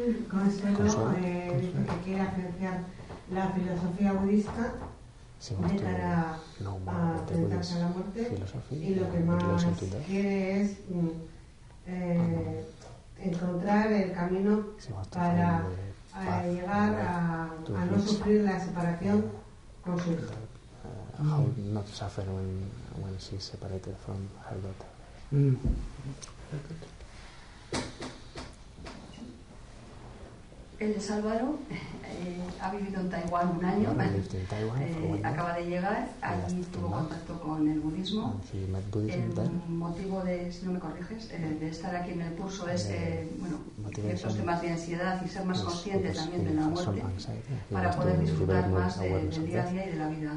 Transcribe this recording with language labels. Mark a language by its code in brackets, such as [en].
[es] Consuelo, que quiere apreciar la filosofía budista de cara a enfrentarse a la muerte, y lo que más quiere es encontrar el camino para llegar a no sufrir la separación con su hijo. [en] How not suffer when she's separated from her daughter. [es] Él es Álvaro, ha vivido en Taiwán un año, acaba de llegar, allí tuvo contacto con el budismo. De estar aquí en el curso es, ciertos temas de ansiedad y ser más consciente también de la muerte para poder disfrutar más del día a día y de la vida.